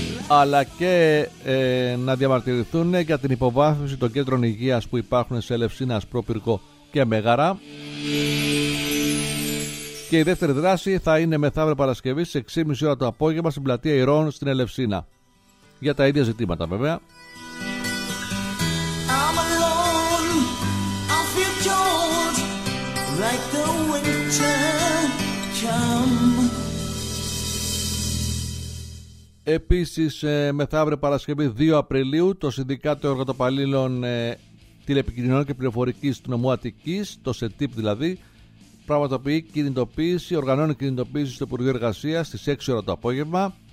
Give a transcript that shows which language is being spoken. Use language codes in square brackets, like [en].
[el] Αλλά και να διαμαρτυρηθούν για την υποβάθμιση των κέντρων υγείας που υπάρχουν σε Ελευσίνα, Ασπρόπυργο και Μέγαρα. Και η δεύτερη δράση θα είναι μεθαύριο Παρασκευή στις 6:30 ώρα το απόγευμα στην πλατεία Ηρών στην Ελευσίνα. Για τα ίδια ζητήματα, βέβαια. [en] I'm alone, I feel cold, like the winter come. [el] Επίσης, μεθαύριο Παρασκευή 2 Απριλίου, το Συνδικάτο Εργατοπαλήλων Τηλεπικοινωνιών και Πληροφορικής του Νομού Αττικής, το ΣΕΤΥΠ δηλαδή, πραγματοποιεί κινητοποίηση, οργανώνει κινητοποίηση στο Υπουργείο Εργασίας στις 6 ώρα το απόγευμα.